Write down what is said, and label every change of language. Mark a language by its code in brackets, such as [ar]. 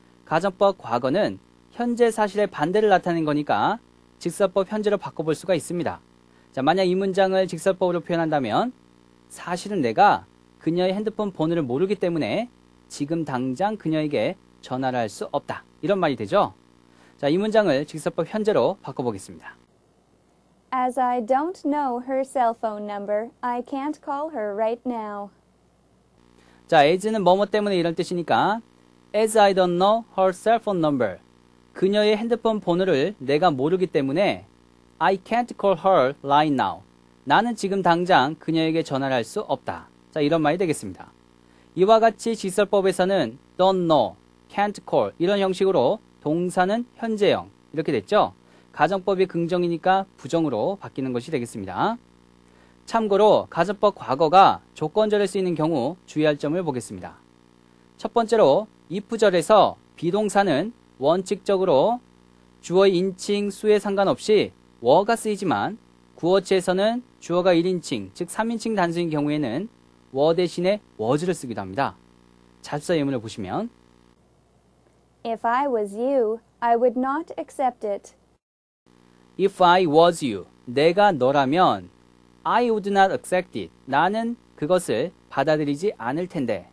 [ko] 가정법 과거는 현재 사실의 반대를 나타낸 거니까 직설법 현재로 바꿔볼 수가 있습니다. 자, 만약 이 문장을 직설법으로 표현한다면 사실은 내가 그녀의 핸드폰 번호를 모르기 때문에 지금 당장 그녀에게 전화를 할 수 없다. 이런 말이 되죠. 자, 이 문장을 직설법 현재로 바꿔보겠습니다. [en] As I don't know her cell phone number, I can't call her right now. [ko] 자, as는 뭐뭐 때문에 이런 뜻이니까 [en] As I don't know her cell phone number, [ko] 그녀의 핸드폰 번호를 내가 모르기 때문에 [en] I can't call her right now. [ko] 나는 지금 당장 그녀에게 전화를 할 수 없다. 자, 이런 말이 되겠습니다. 이와 같이 직설법에서는 don't know, can't call 이런 형식으로 동사는 현재형 이렇게 됐죠. 가정법이 긍정이니까 부정으로 바뀌는 것이 되겠습니다. 참고로 가정법 과거가 조건절에 쓰이는 경우 주의할 점을 보겠습니다. 첫 번째로 if절에서 비동사는 원칙적으로 주어의 인칭, 수에 상관없이 were가 쓰이지만 구어체에서는 주어가 1인칭, 즉 3인칭 단수인 경우에는 were 대신에 was를 쓰기도 합니다. 잡서 예문을 보시면 [en] If I was you, I would not accept it. If I was you, [ko] 내가 너라면 [en] I would not accept it. [ko] 나는 그것을 받아들이지 않을 텐데.